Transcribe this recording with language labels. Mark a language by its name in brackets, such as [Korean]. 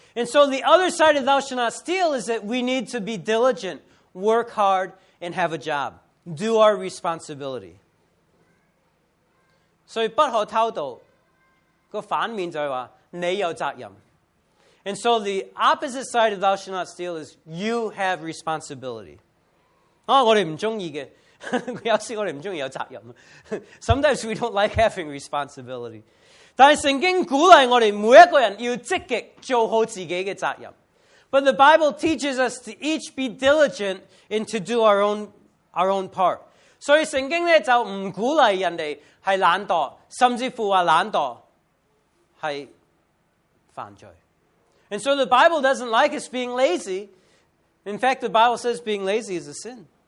[English] And so the other side of thou shalt not steal is that we need to be diligent, work hard, and have a job. Do our responsibility. [Chinese] 所以不可偷盗,反面就是说你有责任。 [English] And so the opposite side of thou shalt not steal is you have responsibility. [Chinese] 我们不喜欢的,有时我们不喜欢有责任。 [English] Sometimes we don't like having responsibility. [Chinese] 但是圣经鼓励我们每一个人要积极做好自己的责任。 [English] But the Bible teaches us to each be diligent and to do our own part. [Chinese] 所以圣经就不鼓励人家是懒惰,甚至乎说懒惰是犯罪。 [English] And so the Bible doesn't like us being lazy. In fact, the Bible says being lazy is a sin.